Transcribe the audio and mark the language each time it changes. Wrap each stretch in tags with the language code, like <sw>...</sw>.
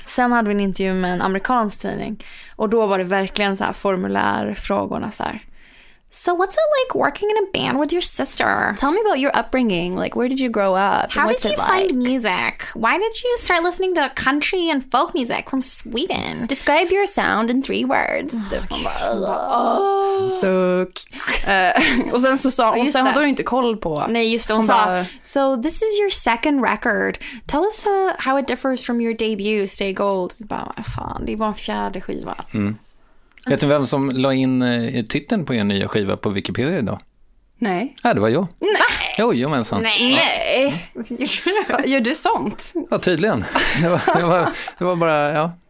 <sv>Sen hade vi en intervju med en amerikansk tidning. Och då var det verkligen så här formulärfrågorna så här.</sv> <en>So what's it like working in a band with your sister? Tell me about your upbringing. Like, where did you grow up? How did you find music? Why did you start listening to country and folk music from Sweden? Describe your sound in 3 words.</en> <sv>Och sen så sa hon, sen hade hon inte koll på. Nej, just det. Hon sa,</sv> <en>so this is your second record. Tell us how it differs from your debut, Stay Gold.</en> <sv>Bara, fan, det var en fjärde skiva. Mm. Vet du vem som la in titeln på er nya skiva på Wikipedia idag? Nej. Ja, det var jag. Nej. Jo, men sant. Nej. Ja. Gör du sånt? Ja, tydligen. Det var bara, ja.</sv>